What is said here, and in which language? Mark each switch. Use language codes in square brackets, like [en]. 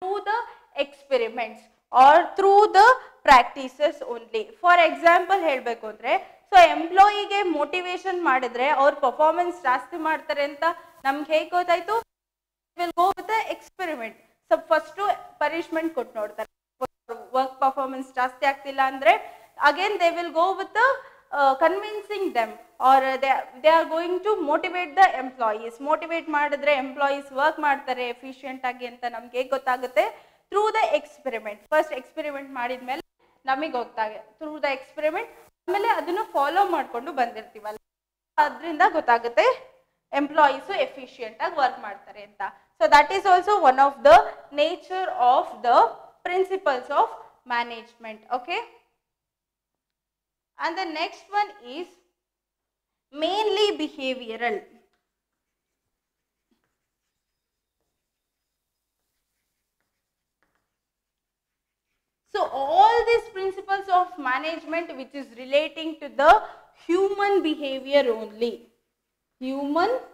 [en] through the experiments or through the practices only. [kn] For example, ಹೇಳಬೇಕು ಅಂದ್ರೆ so ಎಂಪ್ಲಾಯಿಗೆ motivation ಮಾಡಿದ್ರೆ ಅವ್ರ ಪರ್ಫಾರ್ಮೆನ್ಸ್ ಜಾಸ್ತಿ ಮಾಡ್ತಾರೆ ಅಂತ ನಮ್ಗೆ ಹೇಗೆ ಗೊತ್ತಾಯ್ತು? [en] Will go with the experiment. [kn] So first punishment ಕೊಟ್ಟು ನೋಡ್ತಾರೆ, ವರ್ಕ್ ಪರ್ಫಾರ್ಮೆನ್ಸ್ ಜಾಸ್ತಿ ಆಗ್ತಿಲ್ಲ ಅಂದ್ರೆ [en] Again they will go with convincing them are they are going to motivate the employees. [kn] Motivate ಮಾಡಿದ್ರೆ ಎಂಪ್ಲಾಯೀಸ್ ವರ್ಕ್ ಮಾಡ್ತಾರೆ ಎಫಿಷಿಯಂಟ್ ಆಗಿ ಅಂತ ನಮ್ಗೆ ಹೇಗೆ ಗೊತ್ತಾಗುತ್ತೆ? [en] Through the experiment. [kn] First experiment ಮಾಡಿದ್ಮೇಲೆ ನಮಗೆ ಗೊತ್ತಾಗ ಥ್ರೂ ದ ಎಕ್ಸ್ಪೆರಿಮೆಂಟ್ ಆಮೇಲೆ ಅದನ್ನು ಫಾಲೋ ಮಾಡಿಕೊಂಡು ಬಂದಿರ್ತೀವಲ್ಲ, ಅದರಿಂದ ಗೊತ್ತಾಗುತ್ತೆ ಎಂಪ್ಲಾಯೀಸ್ ಎಫಿಷಿಯಂಟ್ ಆಗಿ ವರ್ಕ್ ಮಾಡ್ತಾರೆ ಅಂತ. [en] So that is also one of the nature of the principles of management. Okay, and the next one is mainly behavioral. So all these principles of management which is relating to the human behavior only, human.